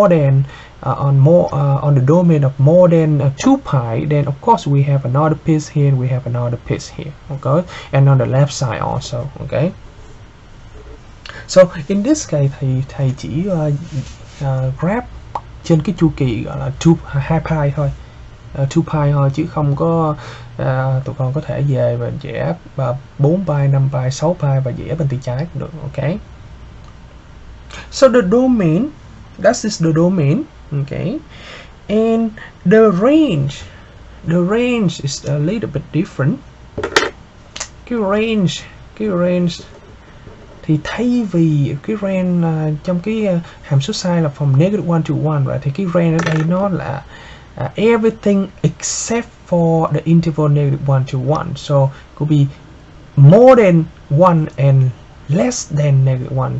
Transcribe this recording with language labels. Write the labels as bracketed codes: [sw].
[en] If we graph it on the domain of more than 2 pi, then of course we have another piece here and we have another piece here, okay? And on the left side also, okay? So in this case [vi] thầy chỉ graph trên cái chu kỳ gọi là 2 pi thôi. 2 pi thôi chứ không có tụi con có thể về và vẽ 4 pi, 5 pi, 6 pi và vẽ bên tay trái cũng được, okay? [en] So the domain, that is the domain. Okay, and the range is a little bit different. [vi] Cái range thì thay vì cái range trong cái hàm số sine là [en] from negative 1 to 1, right? [vi] Thì cái range ở đây nó là [en] everything except for the interval negative 1 to 1. So could be more than 1 and less than negative 1.